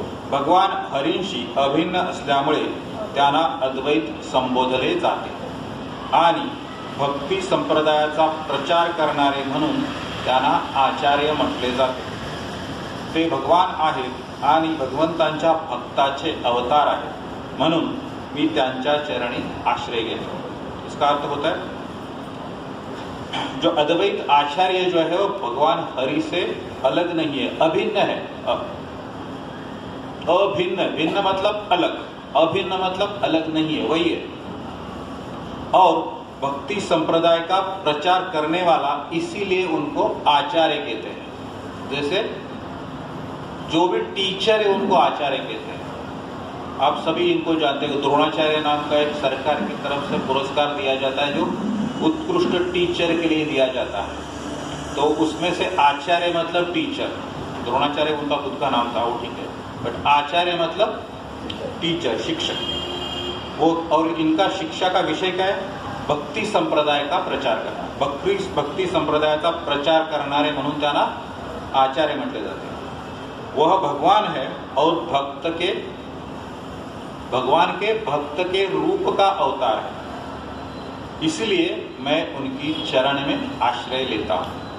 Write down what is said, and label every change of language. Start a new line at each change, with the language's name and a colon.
Marathi: भगवान हरींशी अभिन्न असल्यामुळे त्यांना अद्वैत संबोधले जाते आणि भक्ती संप्रदायाचा प्रचार करणारे म्हणून त्यांना आचार्य म्हटले जाते। ते भगवान आहेत आणि भगवंतांच्या भक्ताचे अवतार आहेत म्हणून मी त्यांच्या चरणी आश्रय घेतो।
Hindi: इसका अर्थ होता है जो अद्वैत आचार्य जो है वो भगवान हरि से अलग नहीं है, अभिन्न है। अभिन्न भिन्न मतलब अलग, अभिन्न मतलब अलग नहीं है, वही है। और भक्ति संप्रदाय का प्रचार करने वाला, इसीलिए उनको आचार्य कहते हैं। जैसे जो भी टीचर है उनको आचार्य कहते हैं। आप सभी इनको जानते हैं, द्रोणाचार्य नाम का एक सरकार की तरफ से पुरस्कार दिया जाता है जो उत्कृष्ट टीचर के लिए दिया जाता है। तो उसमें से आचार्य मतलब टीचर, द्रोणाचार्य उनका खुद का नाम था वो, ठीक है, बट आचार्य मतलब टीचर शिक्षक वो। और इनका शिक्षा का विषय क्या है? भक्ति संप्रदाय का प्रचार करना।
Marathi: भक्ति संप्रदाय का प्रचार करणारे म्हणून त्यांना आचार्य म्हटले जाते।
Hindi: वह भगवान है और भगवान के भक्त के रूप का अवतार है, इसलिए मैं उनकी चरण में आश्रय लेता हूं।